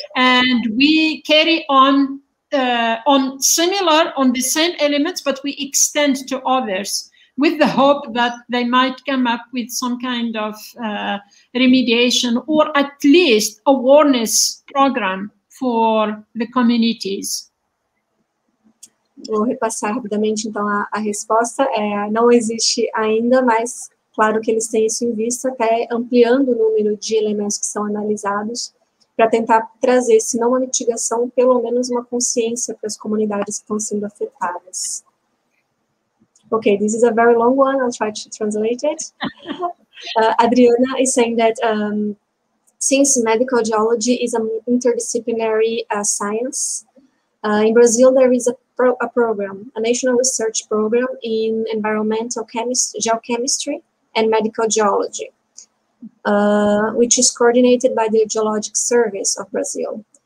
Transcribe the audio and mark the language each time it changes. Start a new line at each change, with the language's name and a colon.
English: And we carry on the same elements, but we extend to others, with the hope that they might come up with some kind of remediation or at least awareness program for the communities.
Portuguese: Vou repassar rapidamente, então, a resposta. Não existe ainda, mas claro que eles têm isso em vista, até ampliando o número de elementos que são analisados para tentar trazer, se não uma mitigação, pelo menos uma consciência para as comunidades que estão sendo afetadas.
English: Okay, this is a very long one. I'll try to translate it. Adriana is saying that since medical geology is an interdisciplinary science, in Brazil there is a program, a national research program in environmental geochemistry and medical geology, which is coordinated by the Geologic Service of Brazil.